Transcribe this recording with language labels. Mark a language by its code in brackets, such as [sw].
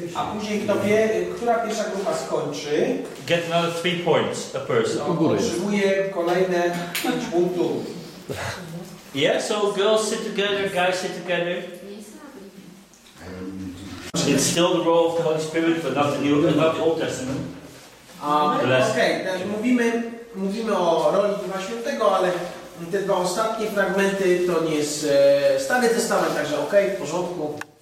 [pl] A później kto wie, która pierwsza grupa skończy, [en] get another 3 points a person. [pl] Otrzymuje kolejne 5 punktów. [en] Yeah, so girls sit together, guys sit together. It's still the role of the Holy Spirit, but not the New, not the Old Testament. [pl] Okay, mówimy o roli Ducha Świętego, ale te dwa ostatnie fragmenty to nie jest Stary Testament, także okej, w porządku.